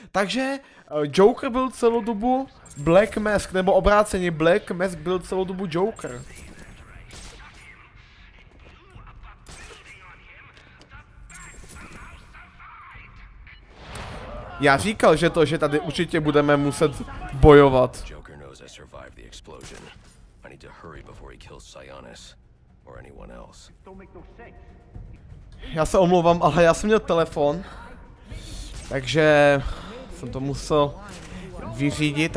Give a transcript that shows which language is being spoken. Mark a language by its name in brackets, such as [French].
[Czech] Takže Joker byl celou dobu Black Mask, nebo obráceně, Black Mask byl celou dobu Joker. Já říkal, že to, že tady určitě budeme muset bojovat. [English] Joker knows I survived the explosion. I need to hurry before he kills Sionis or anyone else. [Czech] Já se omlouvám, ale já jsem měl telefon. Takže jsem to musel vyřídit.